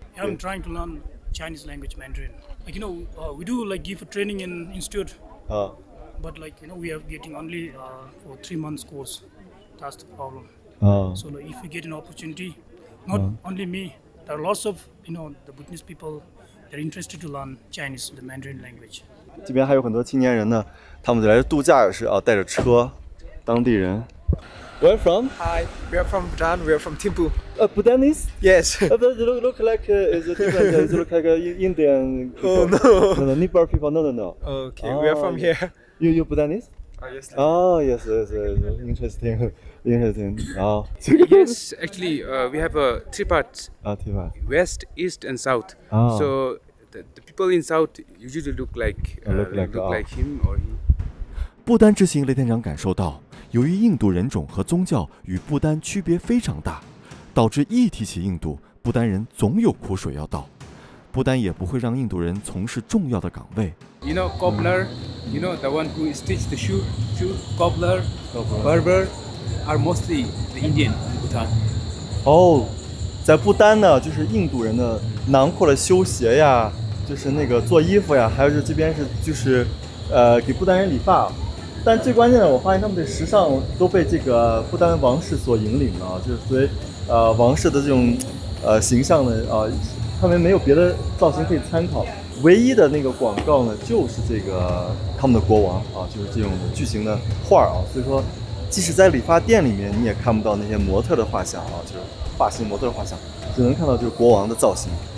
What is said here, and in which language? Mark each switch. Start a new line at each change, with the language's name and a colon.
English: Yeah, I'm trying to learn Chinese language, Mandarin. Like, you know, we do like give a training in institute. But like, you know, we are getting only for 3 months course. That's the problem. So like, if you get an opportunity, not only me, there are lots of, you know, the Buddhist people, they're interested to learn Chinese, the Mandarin language.
Chinese: 这边还有很多青年人呢，他们来度假也是啊，带着车，当地人。
English: Where from? Hi, we are from Bhutan. We are from Thimphu. Bhutanese? Yes. Look like is different. Look like Indian. People. Oh no. No, Nepal people. No. Okay, we are from here. You Bhutanese? Yes. Interesting. Interesting. Yes, actually, we have a three parts. Three parts. West, east, and south. So the people in south usually look like look like him or he.
Chinese: 不丹之行，雷探长感受到。由于印度人种和宗教与不丹区别非常大，导致一提起印度，不丹人总有苦水要倒。不丹也不会让印度人从事重要的岗位。
English: You know, cobbler, you know, the one who stitch the shoe, cobbler, cobbler, barber are mostly the Indian in Bhutan.
Chinese: 哦，在不丹呢，就是印度人的囊括了修鞋呀，就是那个做衣服呀，还有就是这边是就是给不丹人理发。但最关键的，我发现他们的时尚都被这个不丹王室所引领了，就是所以王室的这种形象呢，他们没有别的造型可以参考，唯一的那个广告呢，就是这个他们的国王啊，就是这种巨型的画啊，所以说即使在理发店里面，你也看不到那些模特的画像啊，就是发型模特的画像，只能看到就是国王的造型。